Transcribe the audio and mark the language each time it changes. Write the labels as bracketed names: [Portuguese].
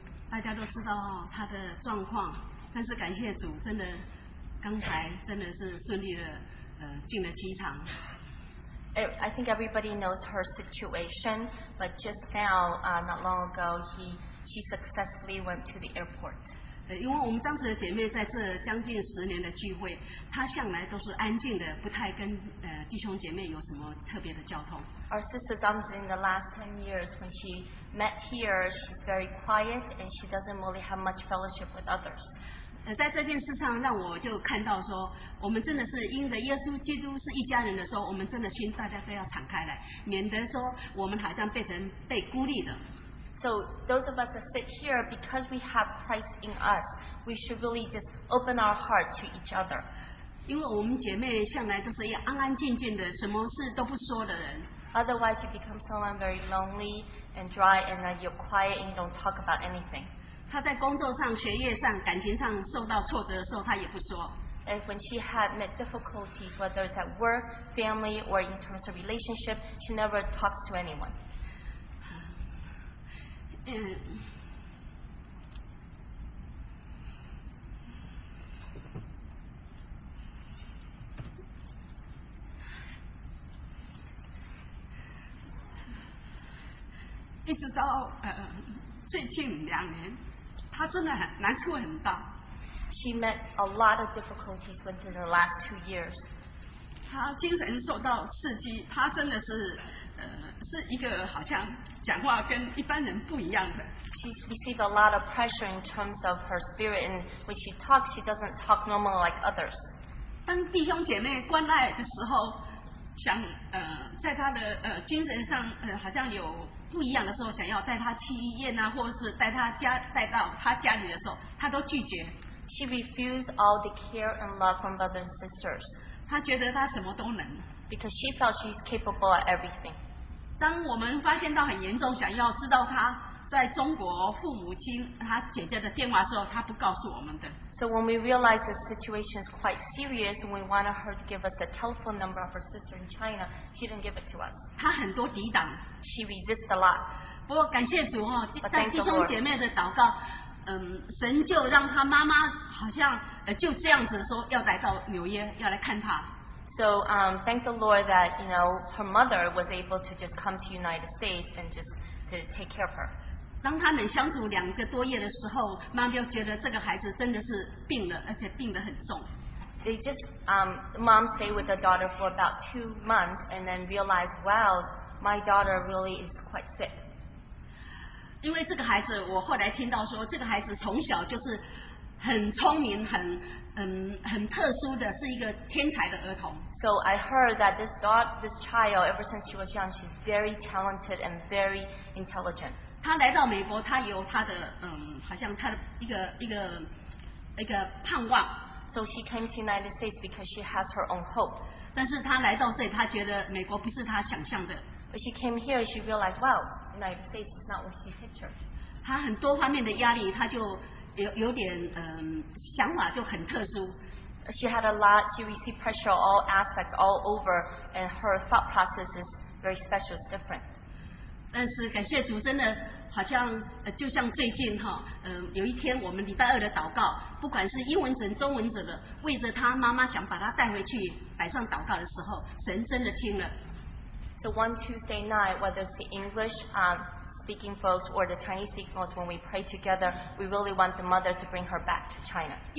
[Chinese] 大家都知道她的状况，但是感谢主，真的刚才真的是顺利的进了机场。 [English] I think everybody knows her situation, but just now, not long ago, she successfully went to the airport. [Chinese] 因为我们张氏的姐妹在这将近十年的聚会，她向来都是安静的，不太跟弟兄姐妹有什么特别的交通。 [English] Our sister Dong in the last 10 years, when she met here, she's very quiet and she doesn't really have much fellowship with others. [Chinese] 在这件事上让我就看到说，我们真的是因着耶稣基督是一家人的时候，我们真的心大家都要敞开来，免得说我们好像变成被孤立的。 [English] So those of us that sit here, because we have Christ in us, we should really just open our heart to each other. [Chinese] 因为我们姐妹向来都是一安安静静的，什么事都不说的人。 [English] Otherwise, you become someone very lonely and dry, and then you're quiet and don't talk about anything. [Chinese] 她在工作上、学业上、感情上受到挫折的时候，她也不说。 [English] And when she had met difficulties, whether it's at work, family, or in terms of relationship, she never talks to anyone. [Chinese] 一直到最近两年，她真的难处很大。 [English] She met a lot of difficulties within the last 2 years. [Chinese] 她精神受到刺激，她真的是是一个好像讲话跟一般人不一样的。 [English] She received a lot of pressure in terms of her spirit, and when she talks, she doesn't talk normal like others. [Chinese] 当弟兄姐妹关爱的时候，想在她的精神上好像有不一样的时候，想要带她去医院啊，或者是带她家带到她家里的时候，她都拒绝。 [English] She refused all the care and love from brothers and sisters. [Chinese] 她觉得她什么都能。 [English] Because she felt she's capable of everything. [Chinese] 当我们发现到很严重，想要知道他在中国父母亲他姐姐的电话时候，他不告诉我们的。 [English] So when we realized the situation is quite serious, and we wanted her to give us the telephone number of her sister in China, she didn't give it to us. [Chinese] 她很多抵挡。 [English] She resists a lot. [Chinese] 不过感谢主哦，在弟兄姐妹的祷告。神就让他妈妈好像就这样子说要来到纽约要来看他。 [English] So, thank the Lord that, you know, her mother was able to just come to United States and just to take care of her. [Chinese] 当他们相处两个多月的时候，妈妈就觉得这个孩子真的是病了，而且病得很重。 [English] They just, mom stayed with the daughter for about 2 months and then realized, wow, my daughter really is quite sick. [Chinese] 因为这个孩子，我后来听到说，这个孩子从小就是很聪明，很特殊的，是一个天才的儿童。 [English] So I heard that this child, ever since she was young, she's very talented and very intelligent. [Chinese] 他来到美国，他有他的好像他的一个盼望。 [English] So she came to United States because she has her own hope. [Chinese] 但是他来到这里，他觉得美国不是他想象的。 [English] But she came here, she realized, wow. United States is not what she pictured. [Chinese] 他很多方面的压力，他就有点想法就很特殊。 [English] She had a lot. She received pressure all aspects all over, and her thought process is very special, different. [Chinese] 但是感谢主，真的好像就像最近哈，有一天我们礼拜二的祷告，不管是英文诊、中文诊的，为着他妈妈想把他带回去摆上祷告的时候，神真的听了。 [English] So one Tuesday night, whether it's the English speaking folks or the Chinese speaking folks, when we pray together, we really want the mother to bring her back to China.